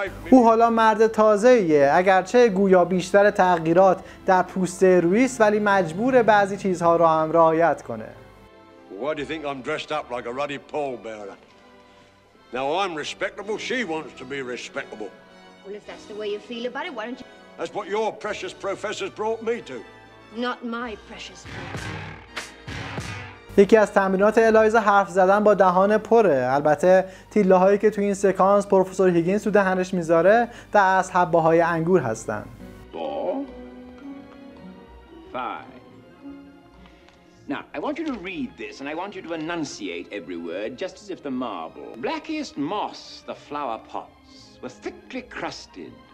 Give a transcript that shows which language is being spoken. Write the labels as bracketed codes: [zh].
[fa] او حالا مرد تازه‌ایه، اگرچه گویا بیشتر تغییرات در پوسته رویست ولی مجبور بعضی چیزها را هم رعایت کنه. [en] Why do you think I'm dressed up like a ruddy pallbearer? Now I'm respectable, she wants to be respectable. Well, if that's the way you feel about it, why don't you... That's what your precious professor's brought me to. Not my precious professor. [fa] یکی از تمرینات الایزا حرف زدن با دهان پره. البته تیله هایی که تو این سکانس پروفسور هیگینز تو دهنش میذاره در از حبه های انگور هستن. [en] 4 5 Now, I want you to read this and I want you to enunciate every word just as if the marble, blackest moss, the flower pots were thickly crusted.